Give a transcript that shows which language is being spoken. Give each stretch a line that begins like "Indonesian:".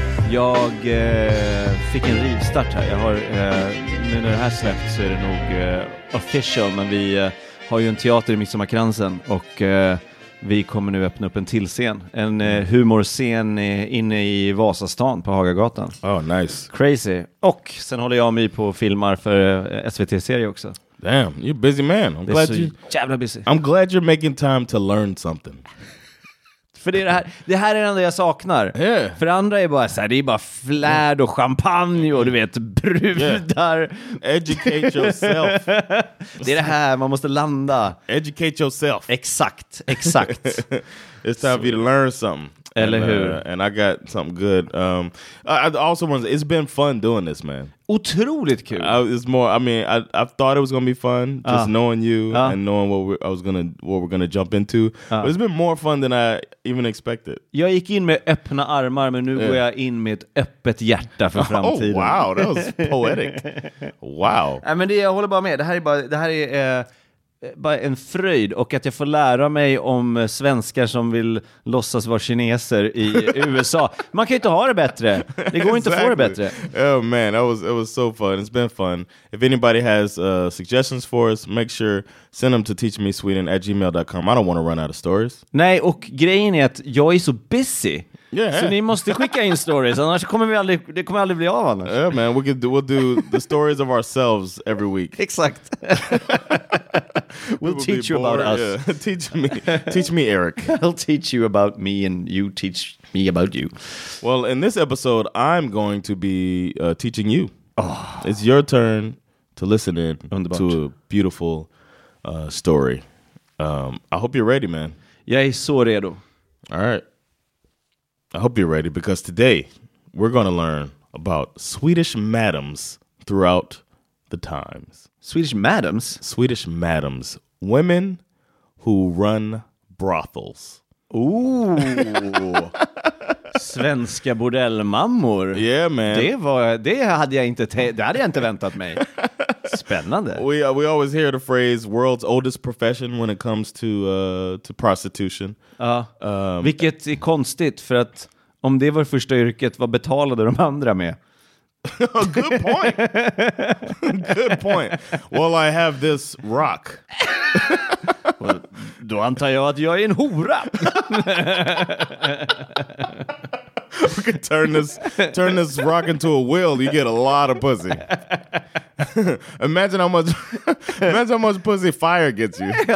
Swedish: Jag fick en rivstart här. Jag har, nu när det här släppt så är det nog official, men vi har ju en teater i Midsommarkransen och vi kommer nu öppna upp en till scen. En humorscen inne i Vasastan på Hagagatan.
English: Oh, nice. Crazy.
Swedish: Och sen håller jag mig på och filmar för SVT-serie också.
English: Damn, you're a busy man. I'm glad you're
Swedish: jävla busy.
English: I'm glad you're making time to learn something.
Swedish: För det här är det enda jag saknar.
English: Yeah.
Swedish: För andra är bara så här, det är bara flärd och champagne och du vet, brudar.
English: Yeah. Educate yourself.
Swedish: Det är det här, man måste landa.
English: Educate yourself.
Swedish: Exakt.
English: It's time for you to learn something.
Swedish: Eller
English: and,
Swedish: hur?
English: And I got something good. It's been fun doing this, man.
Swedish: Otroligt kul.
English: I thought it was gonna be fun just knowing you and knowing what we're gonna jump into. But it's been more fun than I even expected.
Swedish: Jag gick in med öppna armar, men nu går jag in med ett öppet hjärta för framtiden.
English: Oh wow, that was poetic. Wow.
Swedish: Nej, men det jag håller bara med. Det här är bara en fröjd, och att jag får lära mig om svenskar som vill låtsas vara kineser i USA. Man kan ju inte ha det bättre. Det går inte att få det bättre.
English: Oh man, it was so fun. It's been fun. If anybody has suggestions for us, make sure send them to teachmesweden@gmail.com. I don't want to run out of stories.
Swedish: Nej, och grejen är att jag är så busy.
English: Yeah.
Swedish: Så ni måste skicka in stories, annars kommer vi aldrig, det kommer aldrig bli av annars.
English: Yeah man, we'll do the stories of ourselves every week.
Swedish: Exakt.
English: We'll teach you about us. Yeah. Teach me Eric. I'll teach you about me and you teach me about you. Well, in this episode, I'm going to be teaching you. Oh. It's your turn to listen in to a beautiful story. I hope you're ready, man.
Swedish: Jag är så redo.
English: All right. I hope you're ready, because today we're going to learn about Swedish madams throughout the times. Swedish madams? Swedish madams. Women who run brothels.
Swedish: Ooh. Svenska bordellmammor.
English: Yeah, man.
Swedish: Det hade jag inte väntat mig. Spännande.
English: We always hear the phrase world's oldest profession when it comes to prostitution.
Swedish: Vilket är konstigt, för att om det var första yrket, vad betalade de andra med?
English: Good point. Well, I have this rock.
Swedish: Well, då antar jag att jag är en hora.
English: We could turn this rock into a wheel. You get a lot of pussy. Imagine how much pussy fire gets you.